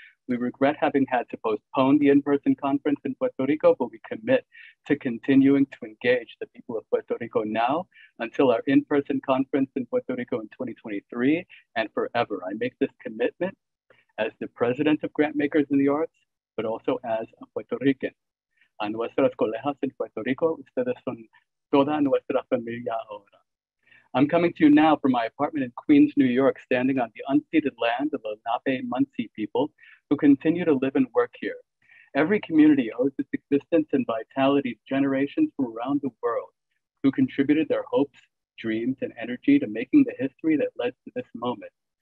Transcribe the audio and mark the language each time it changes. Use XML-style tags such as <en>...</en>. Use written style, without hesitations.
<en>We regret having had to postpone the in-person conference in Puerto Rico, but we commit to continuing to engage the people of Puerto Rico now until our in-person conference in Puerto Rico in 2023 and forever. I make this commitment as the president of Grantmakers in the Arts, but also as a Puerto Rican.</en> <es>A nuestras colegas en Puerto Rico, ustedes son toda nuestra familia ahora.</es> <en>I'm coming to you now from my apartment in Queens, New York, standing on the unceded land of the Lenape Muncie people who continue to live and work here. Every community owes its existence and vitality to generations from around the world who contributed their hopes, dreams, and energy to making the history that led to this moment.</en>